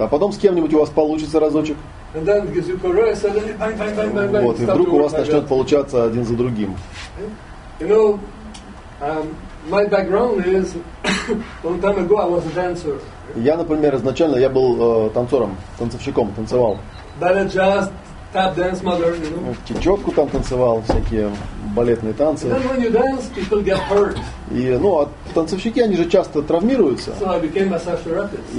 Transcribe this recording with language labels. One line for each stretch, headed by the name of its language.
Russian: А потом с кем-нибудь у вас получится разочек.
English: And then gives you career, suddenly bang, bang, bang, bang, bang.
Russian: Вот. И вдруг у вас начнет получаться один за другим.
English: You know, my background is long time ago I was a dancer.
Russian: Я, например, изначально я был танцором, танцовщиком, танцевал.
English: Ballet, jazz, tap dance, modern, you know.
Russian: Чечетку там танцевал, всякие балетные танцы.
English: And when you dance, people get hurt.
Russian: И, ну, а танцовщики, они же часто травмируются.
English: So I became massage therapist.